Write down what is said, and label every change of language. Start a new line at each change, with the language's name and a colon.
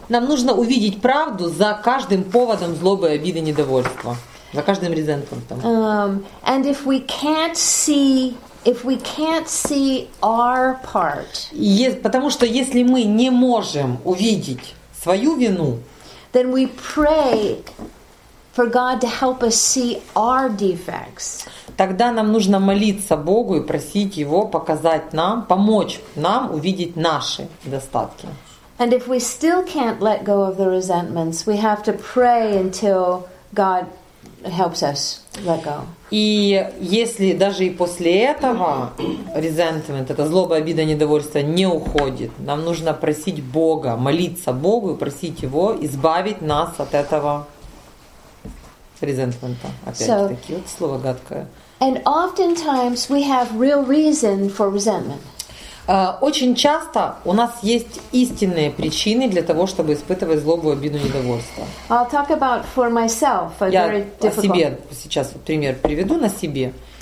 Russian: Нам нужно увидеть правду за каждым поводом злобы, обиды, недовольства, за каждым резентментом.
English: And if we can't see, our part,
Russian: потому что если мы не можем увидеть свою вину,
English: then we pray for God to help us see our defects.
Russian: Тогда нам нужно молиться Богу и просить Его показать нам, помочь нам увидеть наши недостатки.
English: And if we still can't let go of the resentments, we have to pray until God helps us let go.
Russian: И если даже и после этого resentment, это злоба, обида, недовольство, не уходит, нам нужно просить Бога, молиться Богу и просить Его избавить нас от этого resentmentа. Опять-таки, вот слово гадкое.
English: And oftentimes we have real reason for resentment.
Russian: Очень часто у нас есть истинные причины для того, чтобы испытывать злобу, обиду, недовольство.
English: I'll talk about for myself. A
Russian: Я
English: very difficult...
Russian: о себе сейчас пример приведу на себе.